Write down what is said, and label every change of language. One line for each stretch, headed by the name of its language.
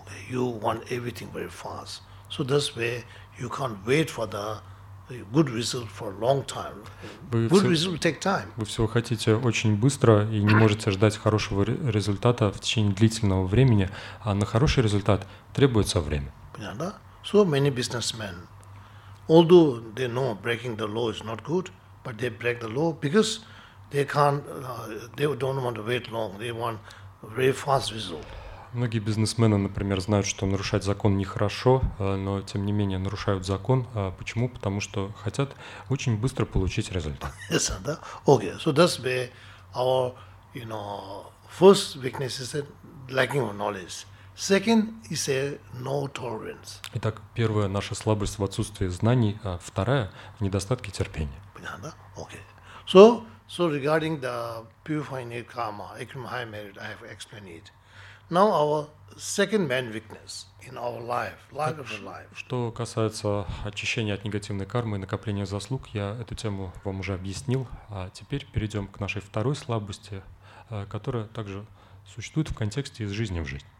English: You want everything very fast, so that's why you can't wait for the good result for a long time. Good result will take time.
Russian: Вы всего хотите очень быстро и не можете ждать хорошего результата в течение длительного времени, а на хороший результат требуется время. Понятно?
English: So many businessmen, although they know breaking the law is not good, but they break the law because they can't, they don't want to wait long. They want very fast result.
Russian: Многие бизнесмены, например, знают, что нарушать закон нехорошо, но тем не менее нарушают закон. Почему? Потому что хотят очень быстро получить результат.
English: Yes, да? Okay, so that's why our, you know, first weakness is lacking of knowledge. Second is no tolerance.
Russian: Итак, первая наша слабость в отсутствии знаний, а вторая в недостатке терпения. Понятно?
English: Okay. So regarding the purifying karma, accumulating high merit, I have explained it. Now our second main weakness in our life of our life.
Russian: Что касается очищения от негативной кармы и накопления заслуг, я эту тему вам уже объяснил. А теперь перейдем к нашей второй слабости, которая также существует в контексте из жизни в жизнь.